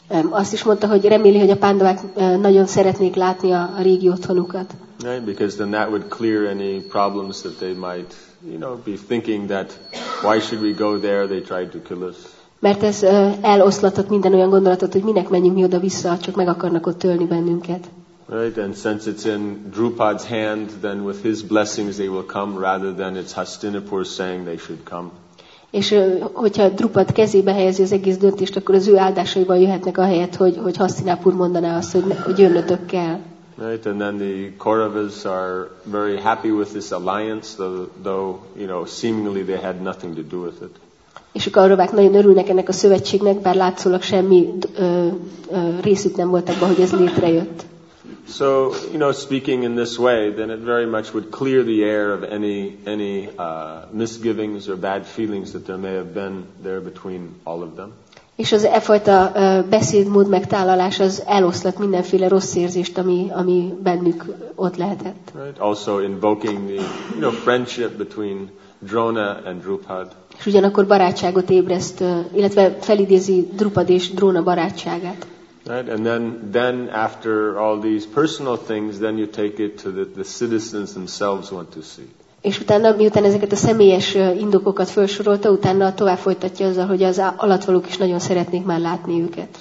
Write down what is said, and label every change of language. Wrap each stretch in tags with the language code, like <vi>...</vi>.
<hu>Azt is mondta, hogy reméli, hogy a pándavák nagyon szeretnék látni a régi otthonukat.</hu> <en>Right, because then that would clear any problems that they might, be thinking that why should we go there? They tried to kill us.</en> <hu>Mert ez eloszlatott minden olyan gondolatot, hogy minek menjünk mi oda vissza, csak meg akarnak ott ölni bennünket.</hu> <en>Right, and since it's in Drupad's hand, then with his blessings they will come, rather than it's Hastinapur saying they should come.</en> <hu>És hogyha Drupad kezébe helyezi az egész döntést, akkor az ő áldásaival jöhetnek a helyet, hogy Hastinapur mondaná azt, hogy jönnötök kell.</hu> <en>Right, and then the Kauravas are very happy with this alliance, though seemingly they had nothing to do with it.</en> <hu>És a Kauravák nagyon örülnek ennek a szövetségnek, bár látszólag semmi részük nem volt abban, hogy ez létrejött.</hu> <en>So, speaking in this way, then it very much would clear the air of any misgivings or bad feelings that there may have been there between all of them.</en> <hu>És az e fajta beszédmód megtálalás az eloszlat mindenféle rossz érzést, ami bennük ott lehetett.</hu> <en>Right. Also invoking the, friendship between Drona and Drupad.</en> <hu>És ugyanakkor barátságot ébreszt, illetve felidézi Drupad és Drona barátságát.</hu> <en>Right, and then after all these personal things, then you take it to the citizens themselves want to see.</en> <hu>És utána, miután ezeket a személyes indokokat felsorolta, utána tovább folytatja azzal, hogy az alattvalók is nagyon szeretnék már látni őket.</hu>